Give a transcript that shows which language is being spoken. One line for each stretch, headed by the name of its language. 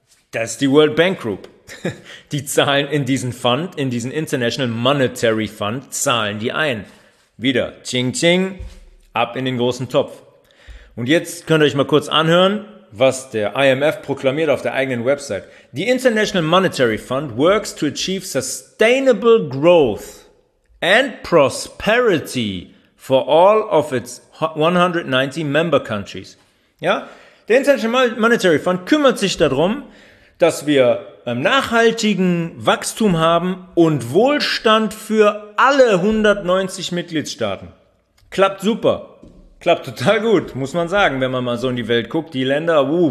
German: Das ist die World Bank Group. Die zahlen in diesen Fund, in diesen International Monetary Fund, zahlen die ein. Wieder, tsching tsching, ab in den großen Topf. Und jetzt könnt ihr euch mal kurz anhören, was der IMF proklamiert auf der eigenen Website.
English: The International Monetary Fund works to achieve sustainable growth and prosperity for all of its 190 member countries.
German: Ja? Der International Monetary Fund kümmert sich darum, dass wir nachhaltigen Wachstum haben und Wohlstand für alle 190 Mitgliedstaaten. Klappt super. Klappt total gut, muss man sagen, wenn man mal so in die Welt guckt. Die Länder,